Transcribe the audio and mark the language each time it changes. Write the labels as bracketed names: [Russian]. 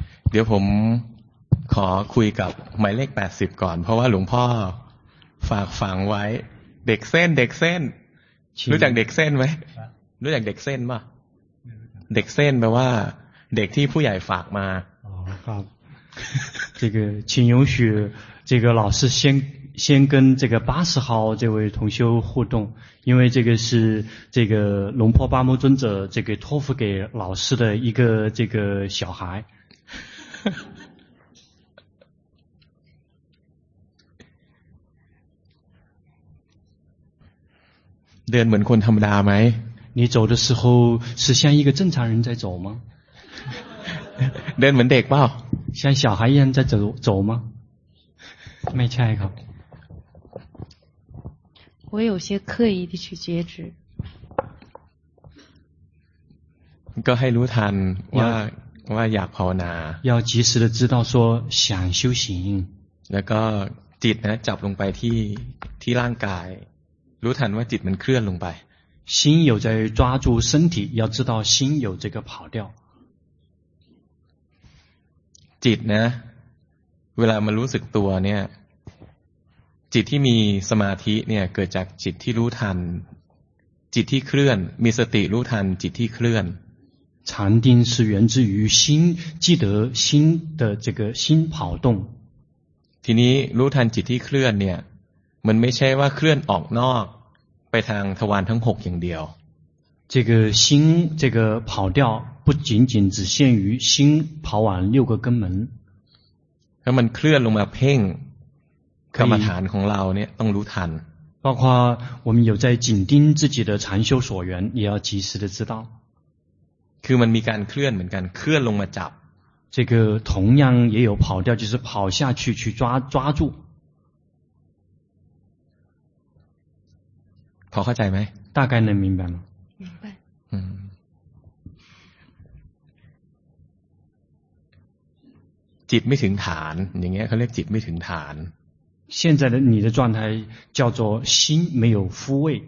[Thai] เดี๋ยวผมขอคุยกับหมายเลข80ก่อนเพราะว่าหลวงพ่อฝากฝังไว้เด็กเส้นเด็กเส้นรู้จักเด็กเส้นไหมรู้จักเด็กเส้นป่ะเด็กเส้นแปลว่าเด็กที่ผู้ใหญ่ฝากมา อ๋อครับ [Chinese] 这个请允许这个老师先跟这个八十号这位同修互动，因为这个是这个龙婆巴摩尊者这个托付给老师的一个这个小孩。 [Thai] เดินเหมือนคนธรรมดาไหม？ [Chinese] 你走的时候是像一个正常人在走吗？ [Thai] เดินเหมือนเด็กเปล่า？ [Chinese] 像小孩一样在走吗？ [Thai] ไม่ใช่ครับ。 [Chinese] 我有些刻意的去觉知 [Thai] ก็ให้รู้ทันว่าอยากภาวนา [Chinese] 要及时的知道说想修行 [Thai] แล้วก็จิตนะจับลงไปที่ร่างกายรู้ทันว่าจิตมันเคลื่อนลงไป [Chinese] 心有在抓住身体要知道心有这个跑掉 [Thai] จิตนะเวลามันรู้สึกตัวเนี่ยจิตที่มีสมาธิเนี่ยเกิดจากจิตที่รู้ทันจิตที่เคลื่อนมีสติรู้ทันจิตที่เคลื่อน [Chinese] 禅定是源自于心记得心的这个心跑动 [Thai] ทีนี้รู้ทันจิตที่เคลื่อนเนี่ยมันไม่ใช่ว่าเคลื่อนออกนอกไปทางทวารทั้ง6อย่างเดียว [Chinese] 这个心这个跑掉不仅仅只限于心跑往六个根门 [Thai] แล้วมันเคลื่อนลงมาเพ่งกรรมฐานของเราเนี่ยต้องรู้ทัน [Chinese] 包括我们有在紧盯自己的禅修所缘也要及时的知道 [Thai] คือมันมีการเคลื่อนเหมือนกันเคลื่อนลงมาจับ [Chinese] 这个同样也有跑掉就是跑下去去抓住 [Thai] พอเข้าใจไหม [Chinese] 大概能明白吗明白 [Thai] จิตไม่ถึงฐานอย่างเงี้ยเขาเรียกจิตไม่ถึงฐาน [Chinese] 现在的你的状态叫做心没有复位